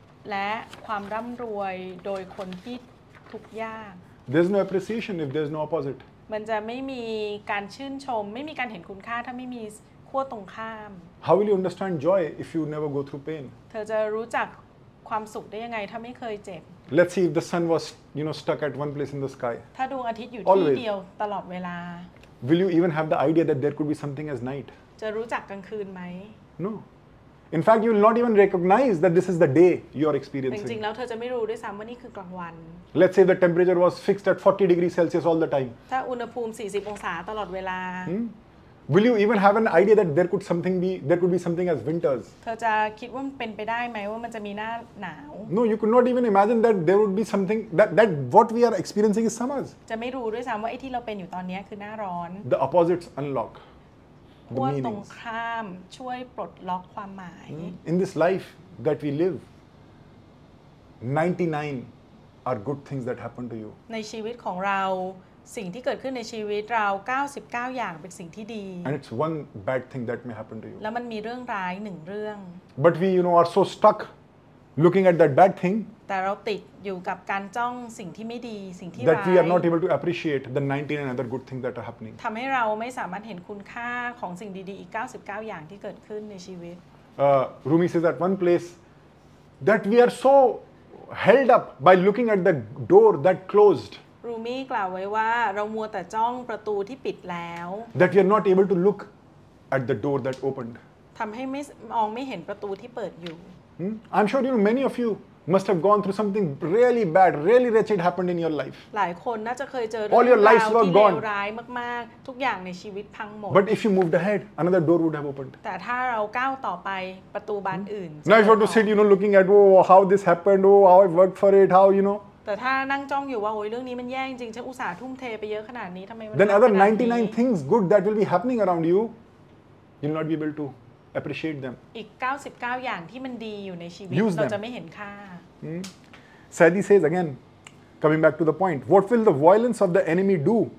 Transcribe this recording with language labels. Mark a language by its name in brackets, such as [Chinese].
[Thai] และความร่ำรวยโดยคนที่ทุกข์ยาก [English] There's no appreciation if there's no opposite [Thai] มันจะไม่มีการชื่นชมไม่มีการเห็นคุณค่าถ้าไม่มีขั้วตรงข้าม [English] How will you understand joy if you never go through pain? [Thai] เธอจะรู้จักความสุขได้ยังไงถ้าไม่เคยเจ็บ [English] Let's see if the sun was, you know, stuck at one place in the sky. [Thai] ถ้าดวงอาทิตย์อยู่ที่เดียวตลอดเวลา [English] Will you even have the idea that there could be something as night? [Thai] จะรู้จักกลางคืนไหม [English] No. In fact, you will not even recognize that this is the day you are experiencing. [Thai] จริงๆแล้วเธอจะไม่รู้ด้วยซ้ำว่านี่คือกลางวัน [English] Let's say the temperature was fixed at 40 degrees Celsius all the time. [Thai] ถ้าอุณหภูมิ40องศาตลอดเวลา [English] Will you even have an idea that there could be something as winters? [Thai] เธอจะคิดว่ามันเป็นไปได้ไหมว่ามันจะมีหน้าหนาว [English] No, you could not even imagine that there would be something that what we are experiencing is summers. [Thai] จะไม่รู้ด้วยซ้ำว่าไอ้ที่เราเป็นอยู่ตอนนี้คือหน้าร้อน [English] The opposites unlock the meaning. [Thai] ขั้วตรงข้ามช่วยปลดล็อกความหมาย [English] In this life that we live, 99 are good things that happen to you. [Thai] ในชีวิตของเราสิ่งที่เกิดขึ้นในชีวิตเรา99อย่างเป็นสิ่งที่ดี [English] And it's one bad thing that may happen to you [Thai] แล้วมันมีเรื่องร้าย1เรื่อง [English] But we you know are so stuck looking at that bad thing [Thai] แต่เราติดอยู่กับการจ้องสิ่งที่ไม่ดีสิ่งที่ร [English] That we are not able to appreciate the 99 other good things that are happening [Thai] ทำให้เราไม่สามารถเห็นคุณค่าของสิ่งดีๆอีก99อย่างที่เกิดขึ้นในชีวิต [English] Rumi says at one place that we are so held up by looking at the door that closed [Thai] รูมี่กล่าวไว้ว่าเรามัวแต่จ้องประตูที่ปิดแล้ว [English] That you're not able to look at the door that opened [Thai] ทำให้ไม่มองไม่เห็นประตูที่เปิดอยู่ [English] I'm sure you know many of you must have gone through something really bad, really wretched happened in your life [Thai] หลายคนน่าจะเคยเจอเรื่องราวที่เล วร้ายมากๆทุกอย่างในชีวิตพังหมด [English] But if you moved ahead, another door would have opened [Thai] แต่ถ้าเราก้าวต่อไปประตูบานอื่น [English] Now if you're to sit, you know, looking at oh how this happened, oh how I worked for it, how you know [Thai] แต่ถ้านั่งจ้องอยู่ว่าโอ้ยเรื่องนี้มันแย่จริงฉันอุตส่าห์ทุ่มเทไปเยอะขนาดนี้ทำไมมัน [English] Then other 99 things good that will be happening around you you'll not be able to appreciate them [Thai] อีก99อย่างที่มันดีอยู่ในชีวิตเราจะไม่เห็นค่า [English] Sadi says again coming back to the point what will the violence of the enemy do